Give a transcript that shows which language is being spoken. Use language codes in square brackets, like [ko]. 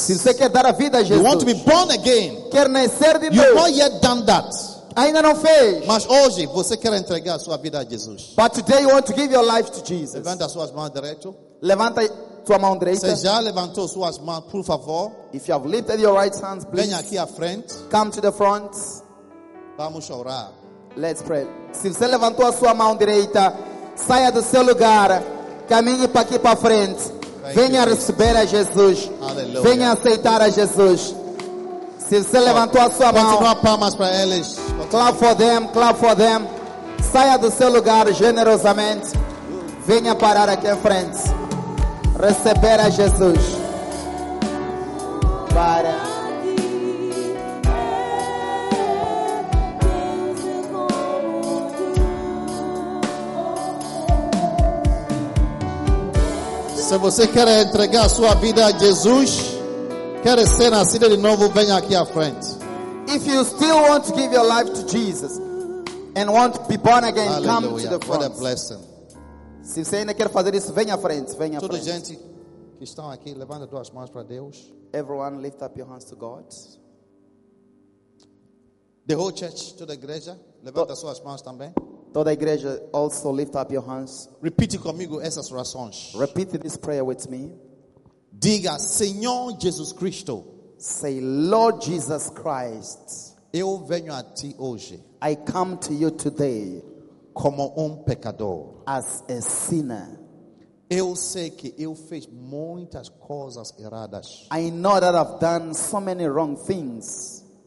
[pt] Se você quer dar a vida a Jesus. [en] You want to be born again. [pt] Quer nascer de novo. [en] You've not yet done that. [pt] Ainda não fez. Mas hoje você quer entregar a sua vida a Jesus. [en] But today you want to give your life to Jesus. [pt] Levanta a sua mão direita. Levanta sua mão direita. Se já levantou sua mão, por favor. [en] If you have lifted your right hand, please. [pt] Venha aqui à frente. [en] Come to the front. [pt] Vamos orar. [en] Let's pray. [pt] Se você levantou a sua mão direita. Saia do seu lugar, caminhe para aqui para frente. [en] Thank [pt] Venha [en] you. [pt] Receber a Jesus. [en] Hallelujah. [pt] Venha aceitar a Jesus. Se você levantou a sua mão, continua palmas para eles. [en] Clap for them, clap for them. [pt] Saia do seu lugar generosamente. Venha parar aqui em frente. Receber a Jesus. Para. Se você quer entregar a sua vida a Jesus, quer ser nascido de novo, venha aqui à frente. [en] If you still want to give your life to Jesus and want to be born again, Hallelujah. Come to the front. What a blessing. [pt] Se você ainda quer fazer isso, venha à frente, venha à Toda frente. Toda gente que está aqui, levanta duas mãos para Deus. [en] Everyone lift up your hands to God. The whole church, [pt] toda a igreja, levanta suas mãos também. Toda a igreja, [en] also lift up your hands. [pt] Repite comigo essas orações. [en] Repeat this prayer with me. [pt] Diga, Senhor Jesus Cristo. [en] Say, Lord Jesus Christ. [pt] Eu venho a ti hoje. [en] I come to you today. [pt] Como pecador. [en] As a sinner. [pt] Eu sei que eu fiz muitas coisas erradas. [en] I know that I've done so many wrong things.